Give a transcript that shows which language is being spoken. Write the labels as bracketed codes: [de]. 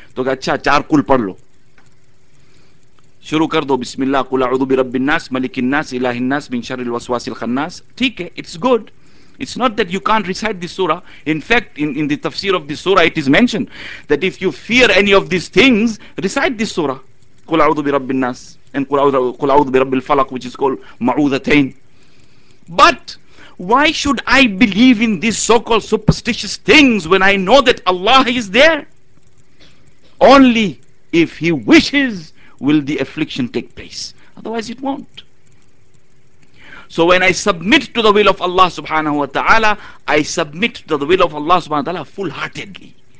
[ur] To kaha, achha, char kul pad lo. شروع کر دو [ar] بسم اللہ قل اعوذ برب الناس ملک الناس الہ الناس من شر الوسواس الخناس. [ur] ٹھیک ہے, [en] it's good. It's not that you can't recite this surah. In fact, in the tafsir of this surah, it is mentioned that if you fear any of these things, recite this surah. [ar] قل اعوذ برب الناس and قل اعوذ برب الفلق, [en] which is called [ar] معوذتين. [en] But why should I believe in these so-called superstitious things when I know that Allah is there? Only if He wishes will the affliction take place. Otherwise it won't. So when I submit to the will of Allah subhanahu wa ta'ala, I submit to the will of Allah subhanahu wa ta'ala full-heartedly.